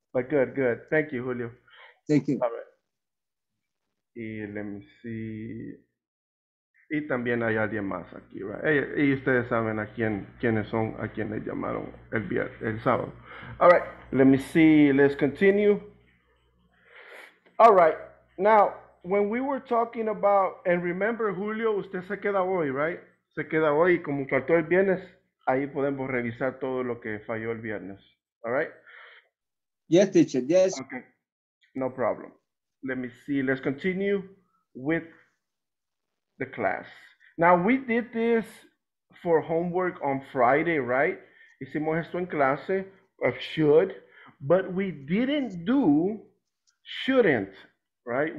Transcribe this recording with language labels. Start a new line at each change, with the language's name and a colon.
English: But good, good. Thank you, Julio. Thank you.
Spanish: All right. Y
English: let me see.
Spanish: Y también hay alguien más aquí, ¿verdad? Y ustedes saben a quién les llamaron el sábado.
English: All right. Let me see, let's continue. All right, now, when we were talking about, and remember, Julio,
Spanish: usted se queda hoy,
English: right?
Spanish: Se queda hoy, como faltó el viernes, ahí podemos revisar todo lo que falló el viernes.
English: All right? Yes, teacher, yes. Okay, no problem. Let me see, let's continue with the class. Now, we did this for homework on Friday, right?
Spanish: Hicimos esto en clase.
English: Of should, but we didn't do shouldn't, right?